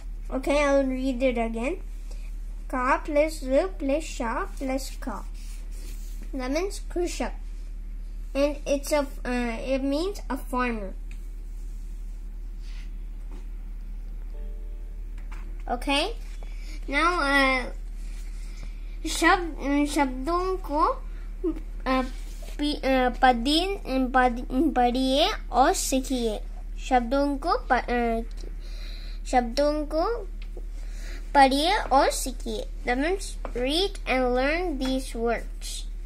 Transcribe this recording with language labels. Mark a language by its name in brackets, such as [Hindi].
[English] Okay, I'll read it again. Ka plus R plus Sha plus Ka. That means Krishak. And it's it means a farmer. Okay, now [Hindi] शब्दों को पढ़िन पढ़िए और सीखिए. शब्दों को पढ़िए और सीखिए. [English] That means read and learn these words.